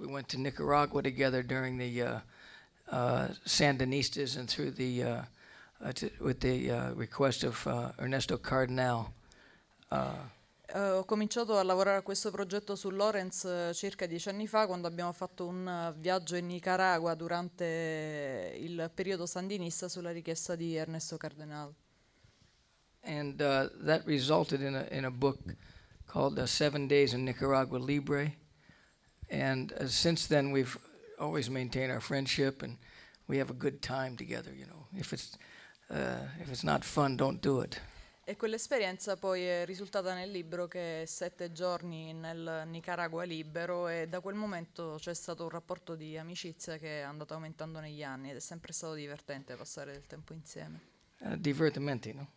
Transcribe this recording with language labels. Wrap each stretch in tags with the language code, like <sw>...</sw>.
<en>We went to Nicaragua together during the Sandinistas and through the with the request of Ernesto Cardenal.</en> <it>Ho cominciato a lavorare a questo progetto su Lorenz circa 10 anni fa, quando abbiamo fatto un viaggio in Nicaragua durante il periodo sandinista sulla richiesta di Ernesto Cardenal.</it> <en>And that resulted in a book called 7 Days in Nicaragua Libre. And since then we've always maintained our friendship and we have a good time together, you know. If it's not fun, don't do it.</en> <it>E quell'esperienza poi è risultata nel libro che è 7 giorni nel Nicaragua libero e da quel momento c'è stato un rapporto di amicizia che è andato aumentando negli anni ed è sempre stato divertente passare del tempo insieme. Divertimenti, no?</it>